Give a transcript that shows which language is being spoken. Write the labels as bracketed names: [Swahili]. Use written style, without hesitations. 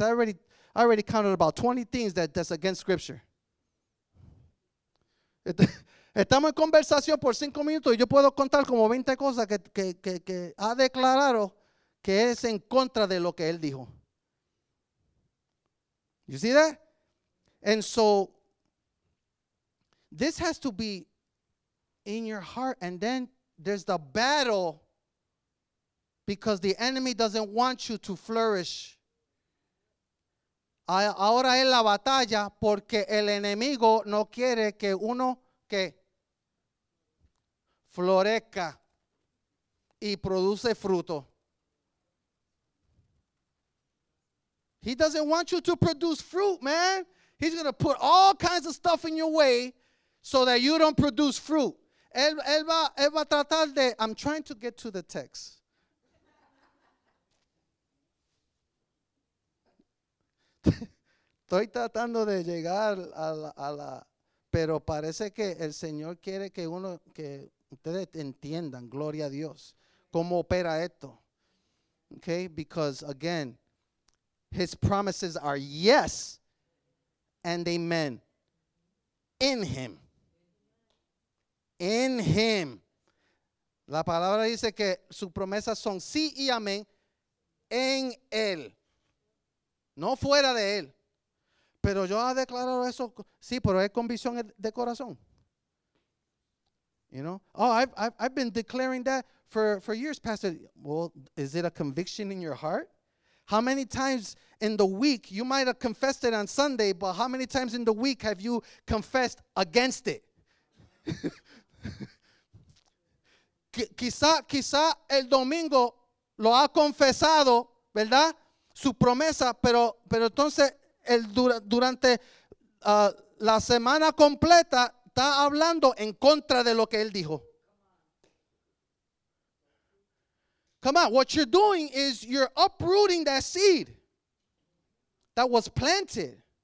[English] I already counted about 20 things that's against scripture. [Spanish] Estamos en conversación por 5 minutos y yo puedo contar como 20 cosas que ha declarado que es en contra de lo que él dijo. [English] You see that? And so this has to be in your heart, and then there's the battle because the enemy doesn't want you to flourish. [Spanish] Ahora es la batalla porque el enemigo no quiere que uno que florezca y produce fruto. [English] He doesn't want you to produce fruit, man. He's going to put all kinds of stuff in your way so that you don't produce fruit. [Spanish] Él va a tratar de, [English] I'm trying to get to the text. [Spanish] Estoy tratando de llegar a la, pero parece que el Señor quiere que uno, que ustedes entiendan, gloria a Dios, cómo opera esto. [English] Okay, because again, his promises are yes and amen in him. In him. [Spanish] La palabra dice que sus promesas son sí y amén en él. No fuera de él. Pero yo he declarado eso, sí, pero es convicción de corazón. [English] You know? Oh, I've been declaring that for years, Pastor. Well, is it a conviction in your heart? How many times in the week, you might have confessed it on Sunday, but how many times in the week have you confessed against it? [Spanish] Quizá el domingo lo ha confesado, ¿verdad? Su promesa, pero entonces durante la semana completa está hablando en contra de lo que él dijo. [English] Come on, what you're doing is you're uprooting that seed that was planted.